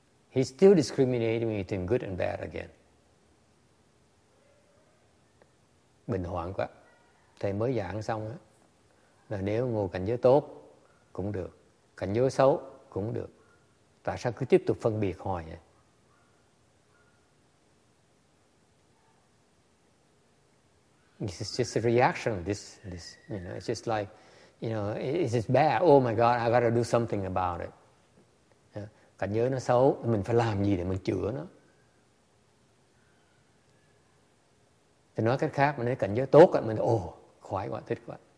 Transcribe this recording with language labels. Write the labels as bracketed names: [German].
[English] He's still discriminating between good and bad again. [Vietnamese] Bình hoạn quá. Thầy mới giảng xong á, là nếu ngồi cảnh giới tốt cũng được, cảnh giới xấu cũng được. Tại sao cứ tiếp tục phân biệt hoài vậy? [English] This is just a reaction of this, you know, it's just like, you know, is it bad? Oh my God, I got to do something about it. [Vietnamese] Cảnh giới nó xấu, mình phải làm gì để mình chữa nó? Thì nói cách khác, mình nói cảnh giới tốt, mình nói, oh, khoái quá, thích quá.